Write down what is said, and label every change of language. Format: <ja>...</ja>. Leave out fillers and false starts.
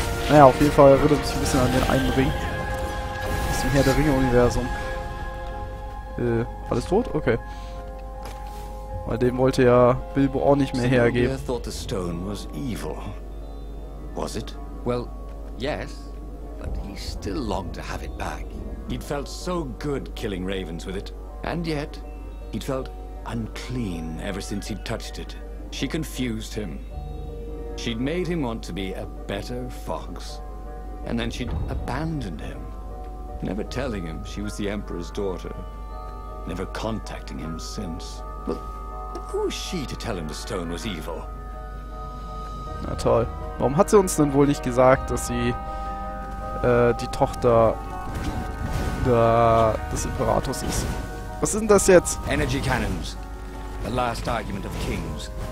<de>Naja, auf jeden Fall erinnert mich ein bisschen an den einen Ring. Aus dem Herr der Ringe-Universum. Alles tot? Okay. Weil dem wollte ja Bilbo auch nicht mehr hergeben.</de> <en>Zenobia thought the stone was evil. Was it? Well, yes. But he still longed to have it back. He'd felt so good killing ravens with it. And yet, he'd felt unclean ever since he'd touched it. She confused him. She'd made him want to be a better fox. And then she'd abandoned him. Never telling him she was the Emperor's daughter. Never contacting him since. Well, who was she to tell him the stone was evil?</en> <de>Na toll. Warum hat sie uns denn wohl nicht gesagt, dass sie die Tochter des Imperators ist? Was ist denn das jetzt?</de> <en>Energy cannons. The last argument of kings.</en>